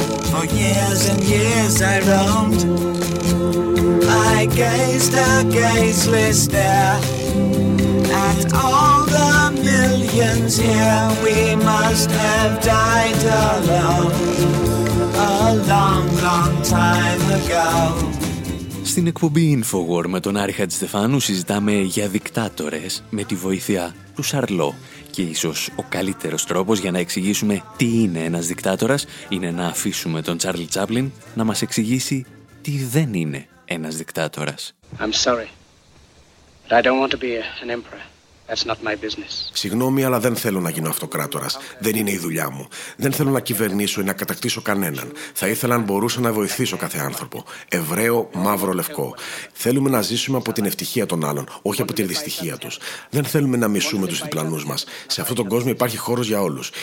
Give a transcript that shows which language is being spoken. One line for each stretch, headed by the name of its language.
English: For years and years I roamed. I gazed a gazeless stare at all the millions here. We must have died alone a long, long time ago.
Greek: Στην εκπομπή InfoWar με τον Άρη Χατζηστεφάνου συζητάμε για δικτάτορες με τη βοήθεια του Σαρλό. Και ίσως ο καλύτερος τρόπος για να εξηγήσουμε τι είναι ένας δικτάτορας είναι να αφήσουμε τον Τσάρλι Τσάπλιν να μας εξηγήσει τι δεν είναι ένας δικτάτορας.
English: I'm sorry, but I don't want to be an emperor. That's not my business.
Greek: Συγγνώμη, αλλά δεν θέλω να γίνω αυτοκράτορας. Δεν είναι η δουλειά μου. Δεν θέλω να κυβερνήσω ή να κατακτήσω κανέναν. Θα ήθελα αν μπορούσα να βοηθήσω κάθε άνθρωπο. Εβραίο, μαύρο, λευκό. Θέλουμε να ζήσουμε από την ευτυχία των άλλων, όχι από τη δυστυχία τους. Δεν θέλουμε να μισούμε τους διπλανούς μας. Σε αυτόν τον κόσμο υπάρχει χώρος για όλους.